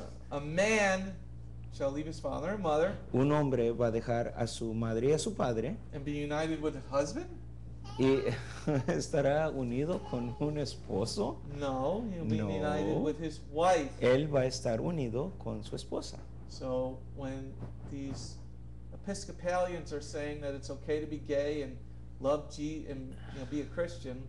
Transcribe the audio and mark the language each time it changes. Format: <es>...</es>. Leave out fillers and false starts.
<en>A man shall leave his father and mother,</en> <es>un hombre va a dejar a su madre y a su padre,</es> <en>and be united with his husband.</en> <es>¿Y estará unido con un esposo?</es> <en>No, he'll be united with his wife.</en> <es>Él va a estar unido con su esposa.</es> <en>So when these Episcopalians are saying that it's okay to be gay and love Jesus and, you know, be a Christian.</en>